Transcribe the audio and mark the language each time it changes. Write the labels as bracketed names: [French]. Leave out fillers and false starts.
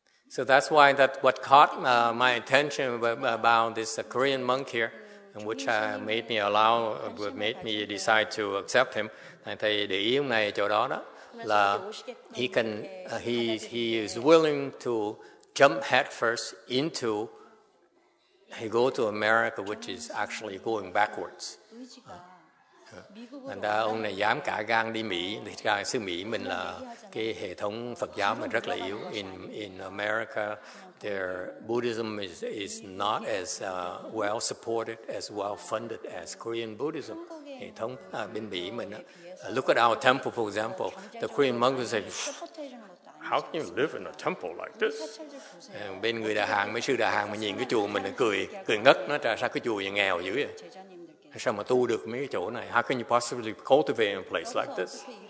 [English] So that's why that what caught my attention about this Korean monk here, and which made me decide to accept him. [Vietnamese] Thầy để ý ông này chỗ đó là [English] he is willing to jump head first into. He go to America, which is actually going backwards. [Vietnamese] Thành ra ông này dám cả gan đi Mỹ, thì cả xứ Mỹ mình là cái hệ thống Phật giáo mình rất là yếu. [English] In America, their Buddhism is not as well supported, as well funded as Korean Buddhism. [Vietnamese] Hệ thống bên Mỹ mình, [English] look at our temple, for example, the Korean monks say, how can you live in a temple like this? [Vietnamese] Bên người Đà Hàng, mấy sư Đà Hàng mà nhìn cái chùa mình cười ngất, nó ra sao cái chùa này nghèo dữ vậy? Sao mà tu được mấy cái chỗ này? [English] How can you possibly cultivate a place like this?